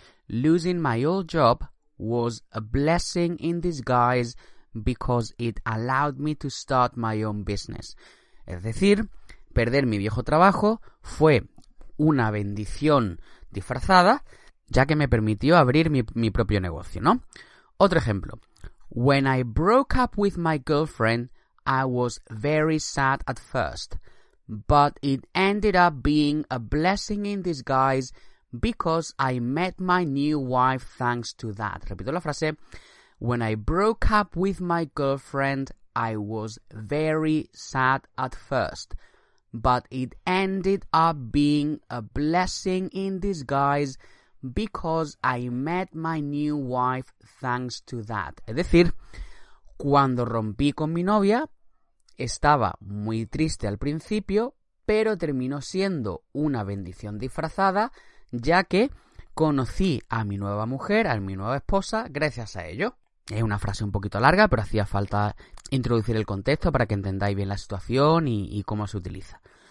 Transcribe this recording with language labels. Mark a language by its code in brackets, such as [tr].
[en] Losing my old job was a blessing in disguise because it allowed me to start my own business. [es] Es decir, perder mi viejo trabajo fue una bendición disfrazada, ya que me permitió abrir mi propio negocio, ¿no? Otro ejemplo. [en] When I broke up with my girlfriend, I was very sad at first, but it ended up being a blessing in disguise because I met my new wife thanks to that. [es] Repito la frase. [en] When I broke up with my girlfriend, I was very sad at first, but it ended up being a blessing in disguise because I met my new wife thanks to that. [es] Es decir, cuando rompí con mi novia, estaba muy triste al principio, pero terminó siendo una bendición disfrazada, ya que conocí a mi nueva mujer, a mi nueva esposa, gracias a ello. Es una frase un poquito larga, pero hacía falta introducir el contexto para que entendáis bien la situación y cómo se utiliza.